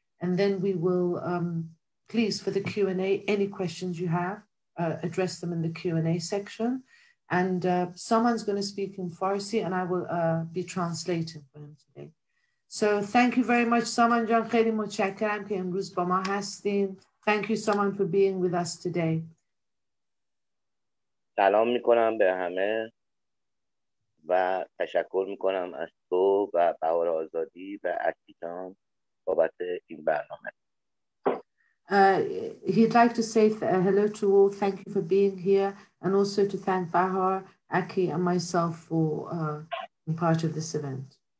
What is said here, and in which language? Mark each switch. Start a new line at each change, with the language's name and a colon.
English: And then we will, please, for the Q&A, any questions you have, address them in the Q&A section. And Saman's gonna speak in Farsi and I will be translating for him today. So thank you very much, Saman Jan,
Persian: خیلی متشکرم که امروز با ما هستین.
English: Thank you, Saman, for being with us today.
Persian: سلام میکنم به همه و تشکر میکنم از تو و بهار آزادی و عزیزان بابت این برنامه.
English: He'd like to say hello to all. Thank you for being here and also to thank Bahar, Aki and myself for being part of this event.